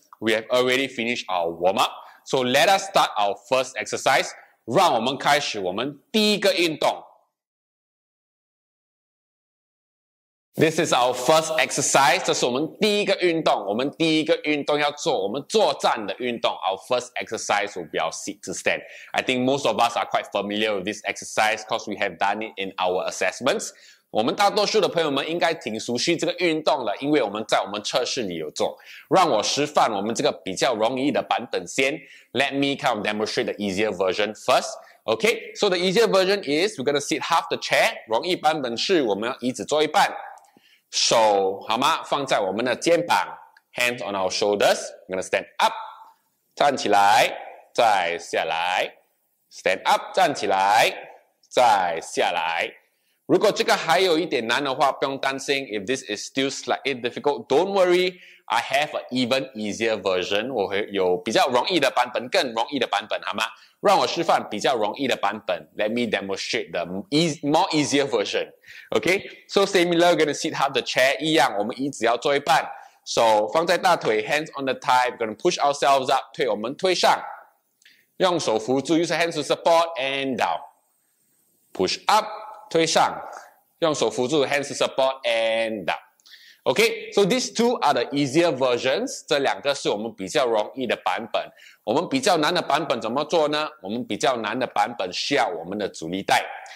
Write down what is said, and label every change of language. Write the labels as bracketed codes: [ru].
[en] We have already finished our warm up. So let us start our first exercise. [zh] 让我们开始我们第一个运动。 [en] This is our first exercise. [zh] 这是我们第一个运动。我们第一个运动要做我们坐站的运动。 [en] Our first exercise will be our sit to stand. I think most of us are quite familiar with this exercise because we have done it in our assessments. [zh] 我们大多数的朋友们应该挺熟悉这个运动了，因为我们在我们测试里有做。让我示范我们这个比较容易的版本先。 [en] Let me kind of demonstrate the easier version first. Okay, so the easier version is we're gonna sit half the chair. [zh] 容易版本是我们要椅子坐一半。手好吗？放在我们的肩膀 ， [en] hands on our shoulders. We're gonna stand up, [zh] 站起来，再下来 [en] ，stand up, 站起来，再下来。 [zh] 如果这个还有一点难的话，不用担心。 [en] If this is still slightly difficult, don't worry. I have an even easier version. [zh] 我会有比较容易的版本，更容易的版本，好吗？让我示范比较容易的版本。 [en] Let me demonstrate the more easier version. Okay, so similar, we're going to sit half the chair. [zh] 一样，我们椅子要坐一半。手放在大腿 [en] ，hands on the thigh. We're going to push ourselves up. [zh] 腿我们推上，用手扶住 [en] ，use hands to support and down. Push up. [zh] 推上，用手扶住 [en] ，hands support and down。 OK, so these two are the easier versions. [zh] 这两个是我们比较容易的版本。我们比较难的版本怎么做呢？我们比较难的版本需要我们的阻力带。